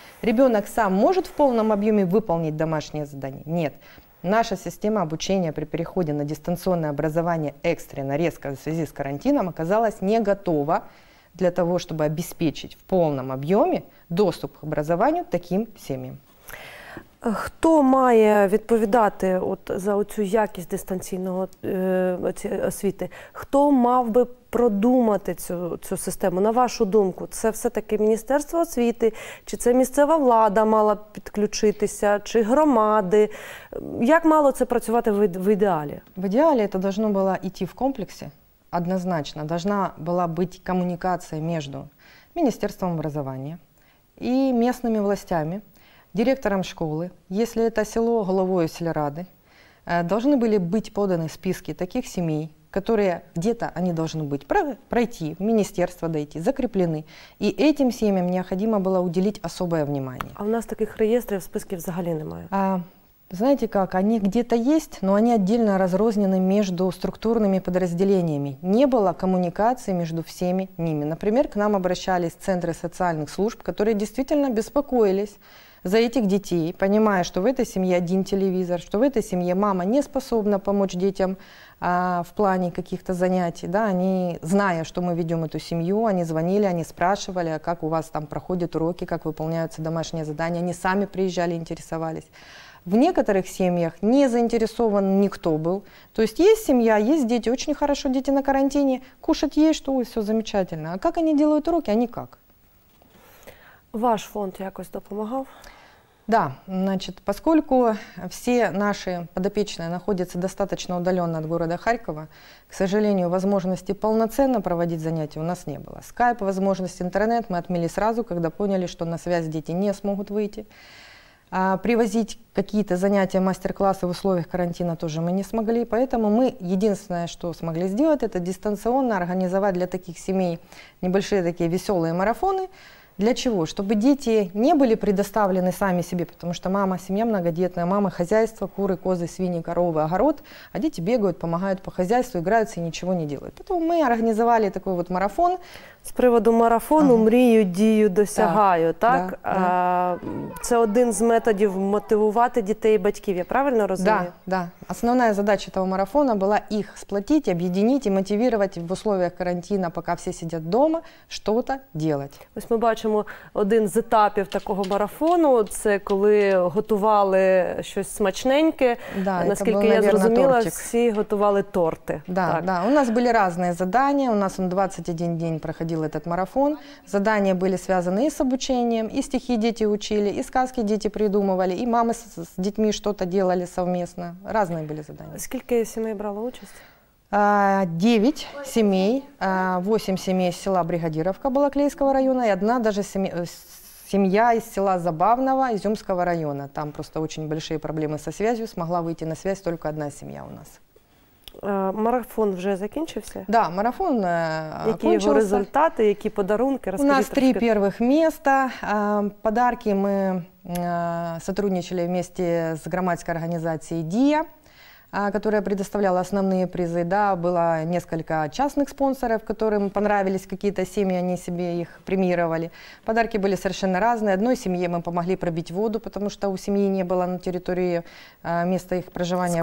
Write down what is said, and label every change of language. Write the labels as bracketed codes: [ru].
[ru] Ребенок сам может в полном объеме выполнить домашнее задание? Нет. Наша система обучения при переходе на дистанционное образование экстренно, резко в связи с карантином оказалась не готова для того, чтобы обеспечить в полном объеме доступ к образованию таким семьям. [uk] Хто має відповідати от за оцю якість дистанційного освіти? Хто мав би продумати цю систему? На вашу думку, це все-таки Міністерство освіти, чи це місцева влада мала підключитися, чи громади? Як мало це працювати в ідеалі? В ідеалі це повинно було йти в комплексі, однозначно. Повинна була бути комунікація між Міністерством образування і місцевими властями, [ru] директором школы, если это село, головою сельрады, должны были быть поданы списки таких семей, которые где-то они должны быть пройти, в министерство дойти, закреплены. И этим семьям необходимо было уделить особое внимание. А у нас таких реестров в списке [uk] взагалі немає? [ru] Знаете как, они где-то есть, но они отдельно разрознены между структурными подразделениями. Не было коммуникации между всеми ними. Например, к нам обращались центры социальных служб, которые действительно беспокоились за этих детей, понимая, что в этой семье один телевизор, что в этой семье мама не способна помочь детям в плане каких-то занятий. Да, они, зная, что мы ведем эту семью, они звонили, они спрашивали, как у вас там проходят уроки, как выполняются домашние задания. Они сами приезжали, интересовались. В некоторых семьях не заинтересован никто был. То есть есть семья, есть дети, очень хорошо дети на карантине, кушать есть, что, ой, все замечательно. А как они делают уроки? А никак. [uk] Ваш фонд якось допомагав? [ru] Да, значит, поскольку все наши подопечные находятся достаточно удаленно от города Харькова, к сожалению, возможности полноценно проводить занятия у нас не было. Скайп, возможность интернет мы отменили сразу, когда поняли, что на связь дети не смогут выйти. А привозить какие-то занятия, мастер-классы в условиях карантина тоже мы не смогли. Поэтому мы единственное, что смогли сделать, это дистанционно организовать для таких семей небольшие такие веселые марафоны. Для чего? Чтобы дети не были предоставлены сами себе, потому что мама, семья многодетная, мама, хозяйство, куры, козы, свиньи, коровы, огород, а дети бегают, помогают по хозяйству, играются и ничего не делают. Поэтому мы организовали такой вот марафон. [uk] С приводу марафону «Мрію, дію, досягаю», так? [ru] Да, да. [uk] Це один з методів мотивувати дітей і батьків, я правильно розумію? [ru] Да, да. Основная задача этого марафона была их сплотить, объединить и мотивировать в условиях карантина, пока все сидят дома, что-то делать. [uk] Ось ми бачимо один з етапів такого марафону, це коли готували щось смачненьке. [ru] Да, [uk] наскільки [ru] було, наверное, [uk] я зрозуміла, тортик. Всі готували торти. Да, так. Да. У нас були різні завдання, у нас он 21 день [ru] проходил этот марафон. Задания были связаны и с обучением, и стихи дети учили, и сказки дети придумывали, и мамы с детьми что-то делали совместно. Разные были задания. Сколько семей брало участь? 9 семей, 8 семей из села Бригадировка Балаклейского района, и одна даже семья из села Забавного Изюмского района. Там просто очень большие проблемы со связью, смогла выйти на связь только одна семья у нас. [uk] Марафон вже закінчився? [ru] Да, марафон [uk] закінчився. Які його результати, які подарунки? У нас три перших міста. [ru] Подарки ми сотрудничали вместе с громадской организацией «Дія», которая предоставляла основные призы. Да, было несколько частных спонсоров, которым понравились какие-то семьи, они себе их премировали. Подарки были совершенно разные. Одной семье мы помогли пробить воду, потому что у семьи не было на территории места их проживания